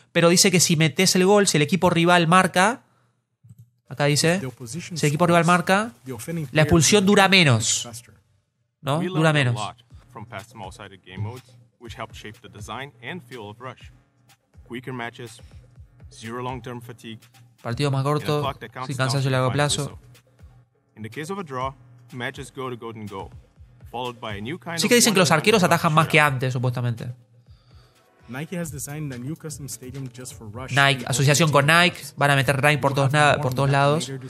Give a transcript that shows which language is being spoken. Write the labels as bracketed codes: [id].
[es] Pero dice que si metes el gol, si el equipo rival marca, acá dice, si el equipo rival marca, la expulsión dura menos, ¿no? Dura menos. [en] From past small-sided game modes, which helped shape the design and feel of Rush. Quicker matches, zero long-term fatigue. [es] Partido más corto, sin cansancio a largo plazo. [en] In the case of a draw, matches go to golden goal. [es] Sí que dicen que los arqueros atajan más que antes, supuestamente. Nike, asociación con Nike, van a meter Nike por todos lados.